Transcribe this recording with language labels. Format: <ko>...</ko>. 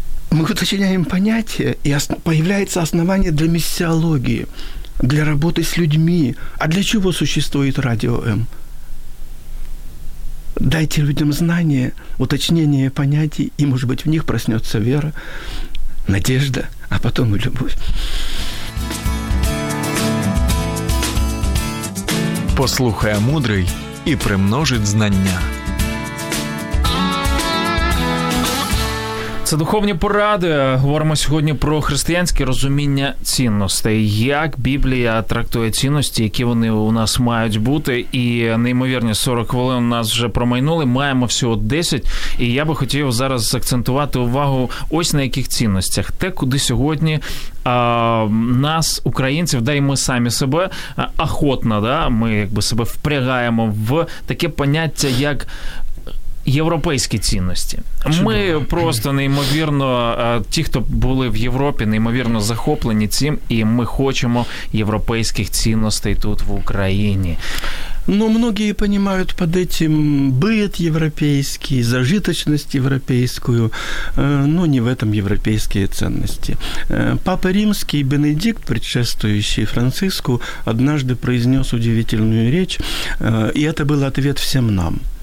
<ru>Мы уточняем понятие, и появляется основание для миссиологии, для работы с людьми. А для чего существует Радио М? Дайте людям знания, уточнение понятий, и, может быть, в них проснется вера, надежда, а потом и любовь.</ru> <uk>Послухає мудрий і примножить знання. Це духовні поради. Говоримо сьогодні про християнське розуміння цінностей. Як Біблія трактує цінності, які вони у нас мають бути. І неймовірні 40 хвилин у нас вже промайнули. Маємо всього 10. І я би хотів зараз акцентувати увагу ось на яких цінностях. Те, куди сьогодні нас, українців, да і ми самі себе охотно, да, ми якби себе впрягаємо в таке поняття, як європейські цінності. Чудово. Ми просто неймовірно, ті, хто були в Європі, неймовірно захоплені цим, і ми хочемо європейських цінностей тут, в Україні.</uk> <ru>Ну, многие понимают под этим быт европейский, зажиточность европейскую, но не в этом европейские ценности. Папа Римский Бенедикт, предшествующий Франциску, однажды произнес удивительную речь, и это был ответ всем нам.</ru>